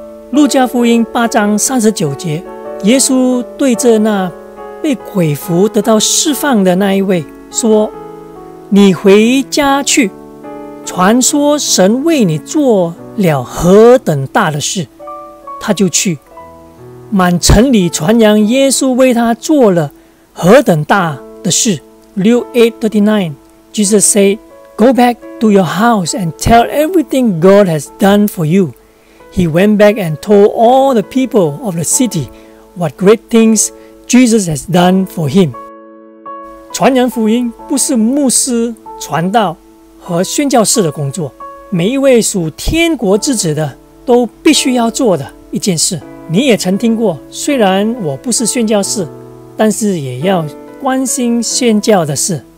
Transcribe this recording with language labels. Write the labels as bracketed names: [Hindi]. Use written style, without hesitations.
[Chinese] 路加福音八章三十九节，耶稣对着那被鬼附得到释放的那一位说，你回家去，传说神为你做了何等大的事。他就去满城里传扬耶稣为他做了何等大的事。 [English] Luke 8:39， Jesus said, Go back to your house and tell everything God has done for you. He went back and told all the people of the city what great things Jesus has done for him. [Chinese] 传扬福音不是牧师传道和宣教士的工作，每一位属天国之子的都必须要做的一件事。你也曾听过，虽然我不是宣教士，但是也要关心宣教的事。